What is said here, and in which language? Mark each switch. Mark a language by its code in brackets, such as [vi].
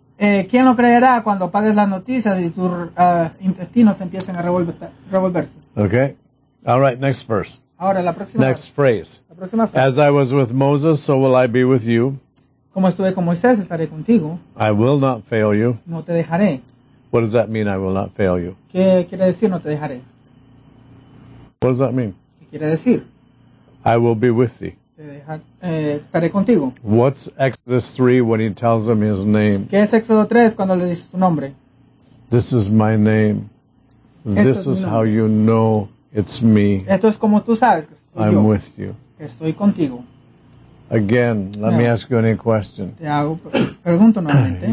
[es] ¿Quién lo creerá cuando apagues las noticias y tus intestinos empiecen a revolverse? [en] Okay. All right, next verse. [es] Ahora, la próxima. [en] Next phrase. [es] La próxima frase. [en] As I was with Moses, so will I be with you. [es] Como estuve con Moisés, estaré contigo. [en] I will not fail you. [es] No te dejaré. [en] What does that mean, I will not fail you? [es] ¿Qué quiere decir, no te dejaré? [en] What does that mean? [es] ¿Qué quiere decir? [en] I will be with thee. [es] Estaré contigo. [en] What's Exodus 3 when he tells them his name? [es] ¿Qué es Éxodo 3 cuando le dice su nombre? [en] This is my name. [es] Esto [en] this is how you know it's me. [es] Esto es como tú sabes que soy [en] I'm [es] yo. [en] With you. [es] Estoy contigo. [en] Again, let me ask you any question. [es] Te hago, pregunto nuevamente.